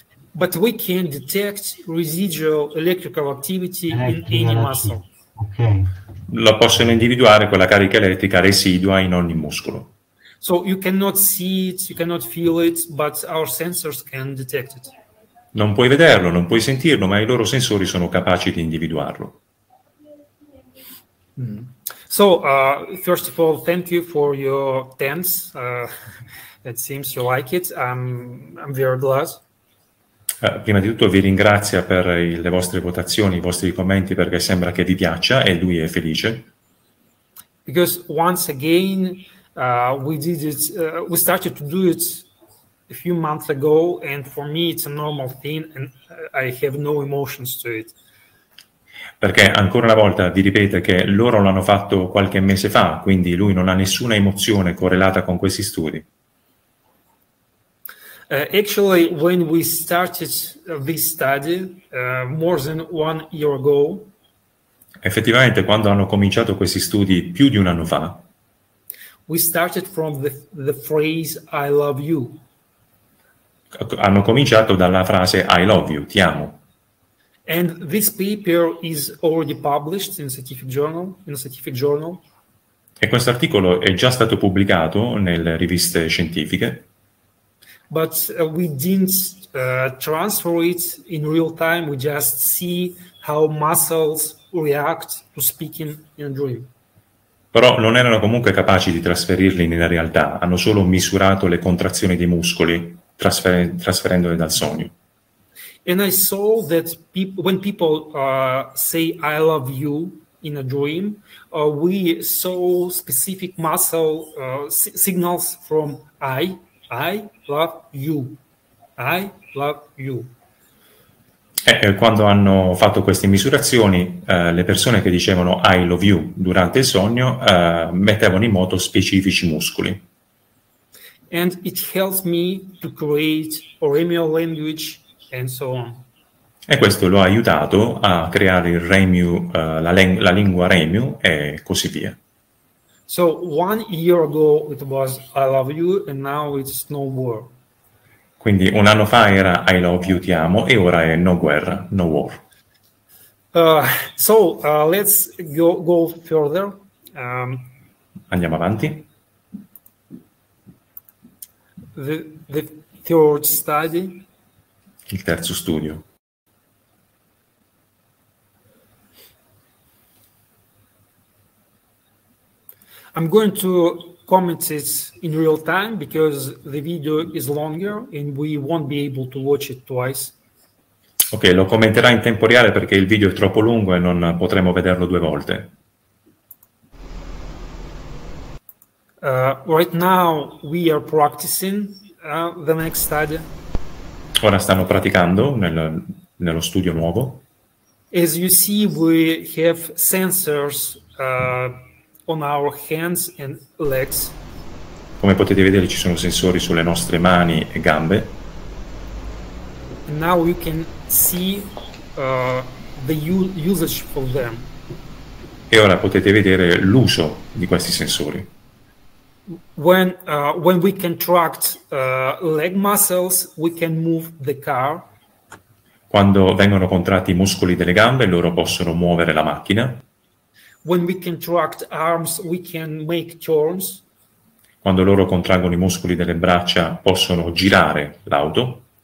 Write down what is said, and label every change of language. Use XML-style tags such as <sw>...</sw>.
<en>But we can detect residual electrical activity in any muscle. Okay.</en> <it>Lo possono individuare quella carica elettrica residua in ogni muscolo.</it> <en>So you cannot see it, you cannot feel it, but our sensors can detect it.</en> <it>Non puoi vederlo, non puoi sentirlo, ma i loro sensori sono capaci di individuarlo.</it> <en>So, first of all, thank you for your tense. It seems you like it. I'm very glad.</en> <it>Prima di tutto vi ringrazio per le vostre votazioni, i vostri commenti, perché sembra che vi piaccia e lui è felice.</it> <en>Because once again, we started to do it a few months ago, and for me it's a normal thing, and I have no emotions to it.</en> <it>Perché ancora una volta vi ripeto che loro l'hanno fatto qualche mese fa, quindi lui non ha nessuna emozione correlata con questi studi.</it> <en>Actually, when we started this study more than one year ago,</en> <it>effettivamente quando hanno cominciato questi studi più di un anno fa,</it> <en>we started from the phrase "I love you."</en> <it>Hanno cominciato dalla frase</it> <en>"I love you,"</en> <it>ti amo.</it> <en>And this paper is already published in a scientific journal.</en> <it>E questo articolo è già stato pubblicato nelle riviste scientifiche.</it> <en>But we didn't transfer it in real time. We just see how muscles react to speaking in a dream.</en> <it>Però non erano comunque capaci di trasferirli nella realtà. Hanno solo misurato le contrazioni dei muscoli trasferendole dal sogno.</it> <en>And I saw that when people say "I love you" in a dream, we saw specific muscle signals from "I love you," "I love you."</en> <it>E quando hanno fatto queste misurazioni, le persone che dicevano</it> <en>"I love you"</en> <it>durante il sogno mettevano in moto specifici muscoli.</it> <en>And it helps me to create oral language. And so on.</en> <it>E questo lo ha aiutato a creare il Remu, la lingua Remu e così via.</it> <en>So 1 year ago it was I love you and now it's no war.</en> <it>Quindi un anno fa era</it> <en>I love you,</en> <it>ti amo, e ora è no guerra,</it> <en>no war. Let's go further.</en> <it>Andiamo avanti.</it> <en>The third study.</en> <it>Il terzo studio.</it> <en>I'm going to comment it in real time because the video is longer and we won't be able to watch it twice.</en> <it>Ok, lo commenterà in tempo reale perché il video è troppo lungo e non potremo vederlo due volte.</it> <en>Right now we are practicing the next study.</en> <it>Ora stanno praticando nello studio nuovo.</it> <en>As you see, we have sensors on our hands and legs.</en> <it>Come potete vedere, ci sono sensori sulle nostre mani e gambe.</it> <en>And now you can see the usage of them.</en> <it>E ora potete vedere l'uso di questi sensori.</it> <en>When we contract leg muscles, we can move the car.</en> <it>Quando vengono contratti i muscoli delle gambe, loro possono muovere la macchina.</it> <en>When we contract arms, we can make turns.</en> <it>Quando loro contraggono i muscoli delle braccia, possono girare l'auto.</it>